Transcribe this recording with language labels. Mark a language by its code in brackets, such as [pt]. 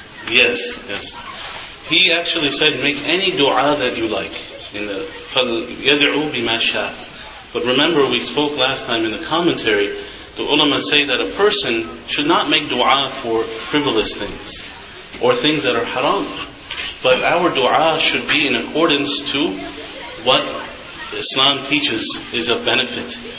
[en] Yes, yes. He actually said, make any dua that you like. In the [ar] فَلْيَدْعُوا بِمَا شَاءَ. [en] But remember, we spoke last time in the commentary, the ulama say that a person should not make dua for frivolous things, or things that are haram. But our dua should be in accordance to what Islam teaches is of benefit.